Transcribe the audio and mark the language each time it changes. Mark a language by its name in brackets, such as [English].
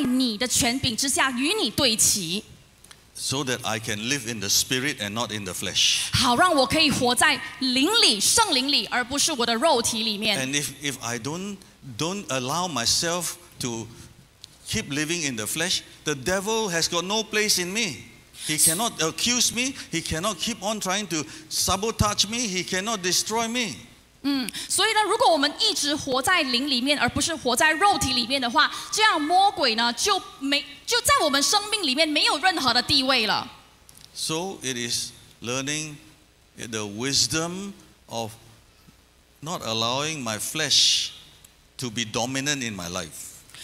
[Chinese] 所以呢，我们一直来到上帝的面前，跟我们上帝求帮助，说主啊，我帮助我，我要悔改，我一直要在你的权柄之下与你对齐。 [English] So that I can live in the spirit and not in the flesh. [Chinese] 好，让我可以活在灵里、圣灵里，而不是我的肉体里面。 [English] And if I don't allow myself to keep living in the flesh, the devil has got no place in me. He cannot accuse me. He cannot keep on trying to sabotage me. He cannot destroy me. [Chinese] 所以呢，如果我们一直活在灵里面，而不是活在肉体里面的话，这样魔鬼呢就没就在我们生命里面没有任何的地位了。So [English] it is learning the wisdom of not allowing my flesh to be dominant in my life.